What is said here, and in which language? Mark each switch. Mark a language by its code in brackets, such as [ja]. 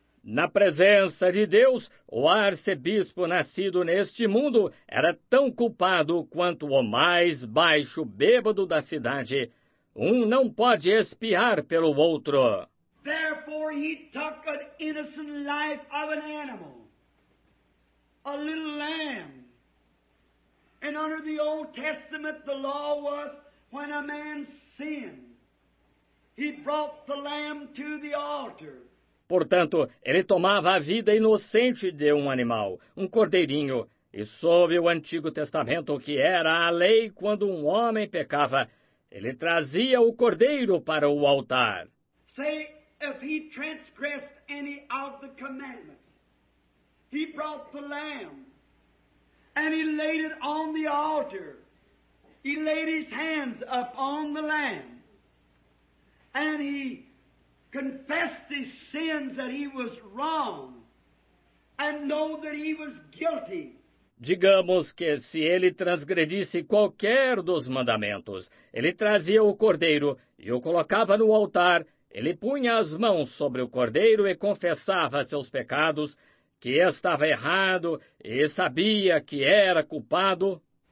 [pt] Na presença de Deus, o arcebispo nascido neste mundo era tão culpado quanto o mais baixo bêbado da cidade. Um não pode espiar pelo outro. [en] Therefore, he took an innocent life of an animal, a little lamb. And under the Old Testament, the law was when a man sinned, he brought the lamb to the altar. [pt] Portanto, ele tomava a vida inocente de um animal, um cordeirinho, e sob o Antigo Testamento, que era a lei quando um homem pecava, ele trazia o cordeiro para o altar. [en] Say, if he transgressed any of the commandments, he brought the lamb. And he laid it on the altar. He laid his hands up on the Lamb. And he confessed his sins, that he was wrong, and know that he was guilty. [pt] Digamos que se ele transgredisse qualquer dos mandamentos, ele trazia o cordeiro e o colocava no altar, ele punha as mãos sobre o cordeiro e confessava seus pecados, que estava errado e sabia que era culpado.